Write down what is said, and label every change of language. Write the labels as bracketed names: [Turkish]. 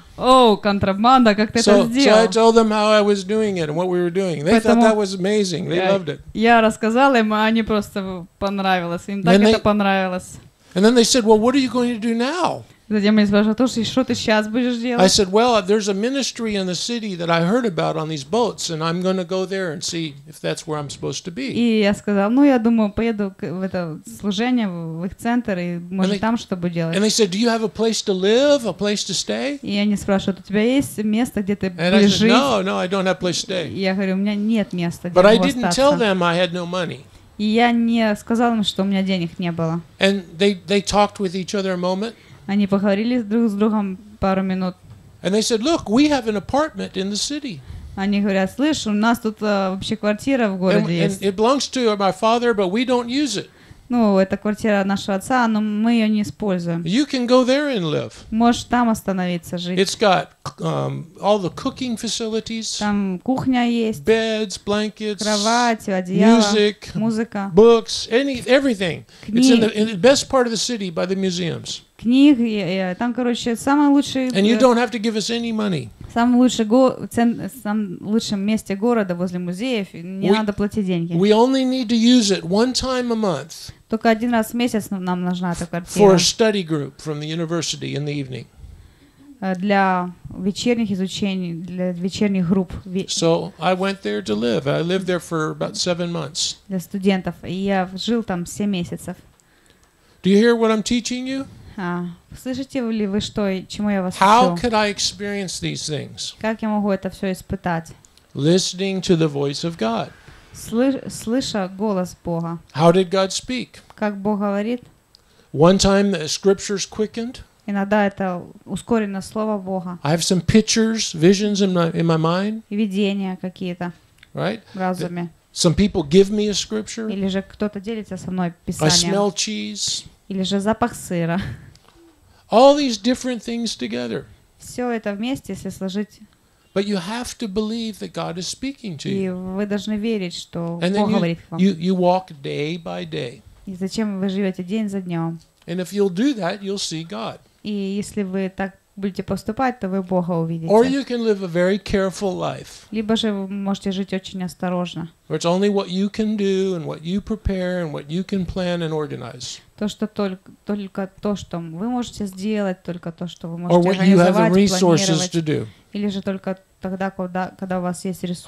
[Russian] Oh, контрабанда, как ты это сделал? [English] So I told them how I was doing it and what we were doing. They thought that was amazing. They loved it. [Russian] Я рассказал им, они просто понравилось. Им так это понравилось. [English] And then they said, well, what are you going to do now? [Russian] Затем они спрашивают, что ты сейчас будешь делать? [English] I said, well, there's a ministry in the city that I heard about on these boats, and I'm going to go there and see if that's where I'm supposed to be. [Russian] И я сказал, ну, я думаю, поеду в это служение, в их центр, и может там что-то делать. [English] And they said, do you have a place to live, a place to stay? [Russian] И они спрашивают, у тебя есть место, где ты будешь жить? [English] And I said, no, I don't have a place to stay. [Russian] Я говорю, у меня нет места, где [English] But I didn't tell them I had no money. [Russian] И я не сказал им, что у меня денег не было. [English] And they talked with each other a moment. [Russian] Они поговорили друг с другом пару минут. [English] And they said, look, we have an apartment in the city. [Russian] Они говорят, слышь, у нас тут вообще квартира в городе [English] and, [Russian] есть. [English] And it belongs to my father, but we don't use it. [Russian] Ну, это квартира нашего отца, но мы ее не используем. [English] You can go there and live. [Russian] Можешь там остановиться, жить. [English] It's got all the cooking facilities. [Russian] Там кухня есть. [English] Beds, blankets. [Russian] Кровать, одеяло. [English] Music. [Russian] Музыка. [English] Books, everything. [Russian] Книги. [English] It's in the best part of the city by the museums. [Russian] Книг, там, короче, самый лучший... [English] And you don't have to give us any money. [Russian] Самом лучшем месте города возле музеев, не надо платить деньги. [English] We only need to use it one time a month. [Russian] Только один раз в месяц нам нужна эта квартира. [English] For a study group from the university in the evening. [Russian] Для вечерних изучений, для вечерних групп. [English] So I went there to live. I lived there for about 7 months. [Russian] Для студентов. И я жил там 7 месяцев. [English] Do you hear what I'm teaching you? [Russian] Слышите ли вы, что, чему я вас учу? [English] How could I experience these things? [Russian] Как я могу это все испытать? [English] Listening to the voice of God. [Russian] Слыша голос Бога. [English] How did God speak? [Russian] Как Бог говорит? [English] One time the scriptures quickened. [Russian] Иногда это ускорено слово Бога. [English] I have some pictures, visions in my mind. [Russian] Видения какие-то. [English] Right? [Russian] В разуме. [English] Some people give me a scripture. [Russian] Или же кто-то делится со мной Писанием. [English] I smell cheese. [Russian] Или же запах сыра. [English] All these different things together. [Russian] Все это вместе, если сложить. [English] But you have to believe that God is speaking to you. [Russian] И вы должны верить, что Бог говорит вам. [English] You walk day by day. [Russian] И зачем вы живете день за днем? [English] And if you'll do that, you'll see God. [Russian] И если вы так будете поступать, то вы Бога увидите. [English] Or you can live a very careful life. [Russian] Либо же вы можете жить очень осторожно. [English] Where it's only what you can do and what you prepare and what you can plan and organize. [Russian] То, что только то, что вы можете сделать, только то, что вы можете организовать, планировать. Или же только тогда, когда у вас есть ресурсы.